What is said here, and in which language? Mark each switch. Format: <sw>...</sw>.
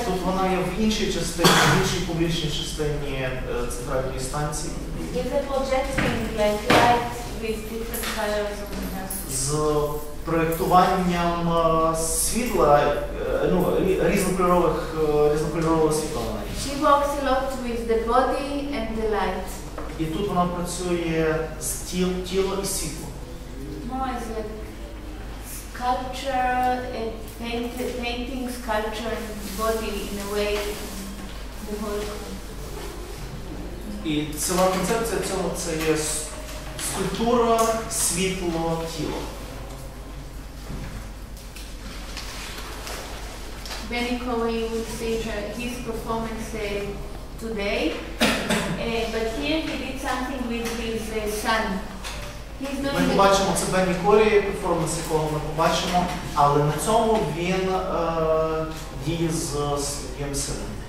<uk>Тут вона є в іншій частині, в іншій публічній частині центральної станції.</uk> <en>Is it projecting like light with different colors on her?</en> <uk>Проєктуванням світла, ну, різнокольорового світла.</uk> <en>She works a lot with the body and the light.</en> <uk>І тут вона працює з тіло і світло.</uk> <en>More is like sculpture, painting, sculpture, body in a way, the whole.</en> <uk>І ціла концепція цього – це є скульптура, світло, тіло.</uk> <en>Benico, you will see his performance today, but here he did something with his son. He's doing.</en> <uk>Ми побачимо це Benico перформанс, якого ми побачимо, але на цьому він діє з своїм сином.</uk>